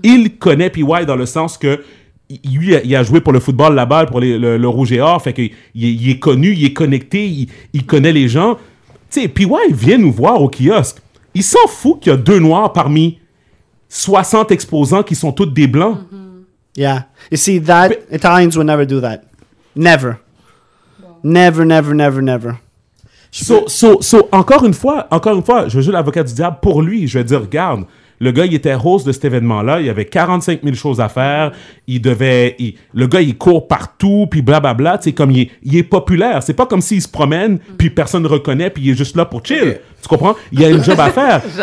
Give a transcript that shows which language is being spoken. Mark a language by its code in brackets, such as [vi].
[fr] Il connaît PY dans le sens que... Lui, il a joué pour le football là-bas, pour le Rouge et Or. Fait que il est connu, il est connecté, il connaît les gens. Tu sais, PY vient nous voir au kiosque. Il s'en fout qu'il y a deux noirs parmi 60 exposants qui sont tous des blancs. [en] Mm-hmm. Yeah. You see, that, Italians will never do that. Never. Never, never, never, never. [fr] So, encore une fois, je vais jouer l'avocat du diable pour lui. Je vais dire, regarde. Le gars, il était host de cet événement-là. Il avait 45 000 choses à faire. Le gars, il court partout, puis blablabla. C'est comme il est populaire. C'est pas comme s'il se promène, puis personne ne reconnaît, puis il est juste là pour chill. Okay. Tu comprends? Il y a une job à faire.